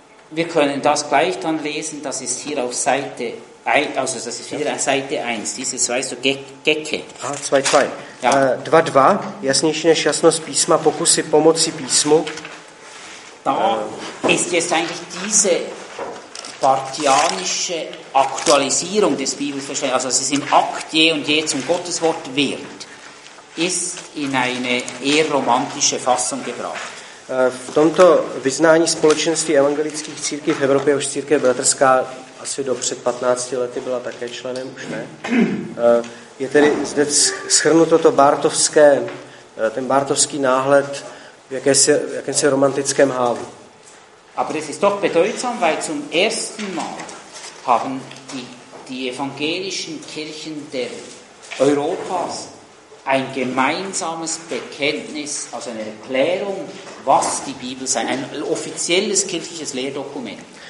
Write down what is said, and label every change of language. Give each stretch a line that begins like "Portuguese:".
German: Wir können das gleich dann lesen, das ist hier auf Seite 1, also das ist wieder Seite 1, diese zwei so Gecke.
Czech: A 2.2. Ja. 2.2, jasnější než jasnost písma, pokusy pomocí písmu.
German: Da ist jetzt eigentlich diese partianische Aktualisierung des Bibelverständnisses, also dass es im Akt je und je zum Gotteswort wird, ist in eine eher romantische Fassung gebracht.
Czech: V tomto vyznání společenství evangelických církví v Evropě už církev bratrská asi do před 15 lety byla také členem, už ne. Je tedy zde shrnuto to bartovské, ten bartovský náhled v jakémsi romantickém hávu.
German: Aber es ist doch bedeutsam, weil zum ersten Mal haben die evangelischen Kirchen der Europas ein gemeinsames Bekenntnis, also eine Erklärung, was die Bibel sei, ein offizielles kirchliches Lehrdokument.